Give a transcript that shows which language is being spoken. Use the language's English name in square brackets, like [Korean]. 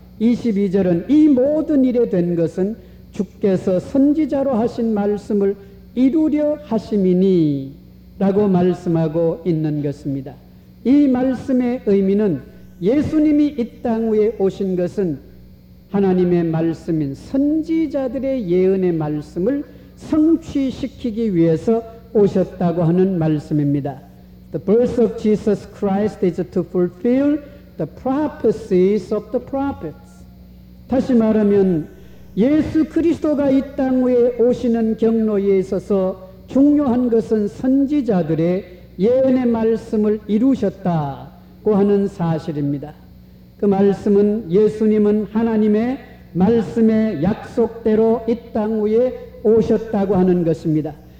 [Korean] 22절은 이 모든 일에 된 것은 주께서 선지자로 하신 말씀을 이루려 하심이니 라고 말씀하고 있는 것입니다. 이 말씀의 의미는 예수님이 이 땅 위에 오신 것은 하나님의 말씀인 선지자들의 예언의 말씀을 성취시키기 위해서 오셨다고 하는 말씀입니다. [English] The birth of Jesus Christ is to fulfill the prophecies of the prophets. [Korean] 다시 말하면 예수 그리스도가 이 땅 위에 오시는 경로에 있어서 중요한 것은 선지자들의 예언의 말씀을 이루셨다고 하는 사실입니다. 그 말씀은 예수님은 하나님의 말씀의 약속대로 이 땅 위에 오셨다고 하는 것입니다.